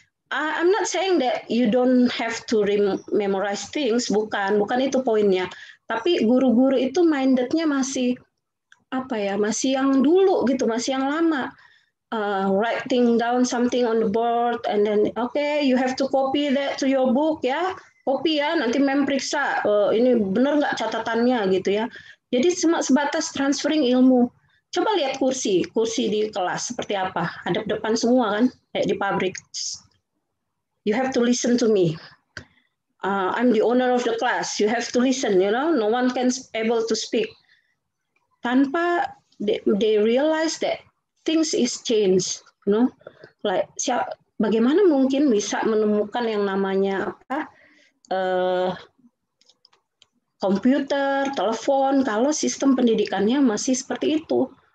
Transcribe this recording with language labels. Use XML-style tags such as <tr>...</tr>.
<en>I'm not saying that you don't have to memorize things,</en> <id>bukan itu poinnya. Tapi guru-guru itu mindednya masih masih yang dulu gitu, masih yang lama.</id> <en>Writing down something on the board and then okay, you have to copy that to your book ya.</en> <id>Copy ya, nanti mem periksa ini benar enggak catatannya gitu ya. Jadi cuma sebatas transferring ilmu. Coba lihat kursi di kelas seperti apa? Hadap depan semua kan, kayak di pabrik.</id> <en>You have to listen to me. I'm the owner of the class. You have to listen, you know? No one can able to speak. Tanpa they realize that things is changed, you know?</en> <id>Like bagaimana mungkin bisa menemukan yang namanya komputer, telepon kalau sistem pendidikannya masih seperti itu?</id>